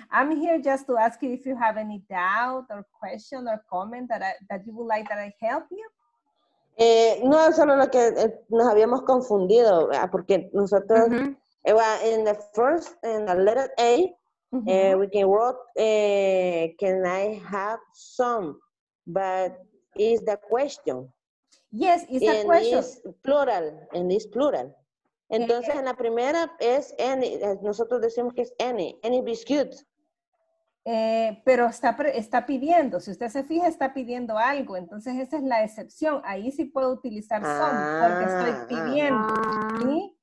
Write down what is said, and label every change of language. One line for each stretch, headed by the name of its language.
English: I'm here just to ask you if you have any doubt or question or comment that you would like that I help you.
Spanish: No, solo lo que nos habíamos confundido, ¿verdad? Porque nosotros,
English: in the first, in the letter A, we can write, can I have some, but is the question. Yes, it's a question. It's plural, and it's plural.
Spanish: Entonces, en la primera es any, nosotros decimos que es any biscuit. Pero está pidiendo, si usted se fija, está pidiendo algo, entonces esa es la excepción, ahí sí puedo utilizar some, porque estoy pidiendo, ¿sí?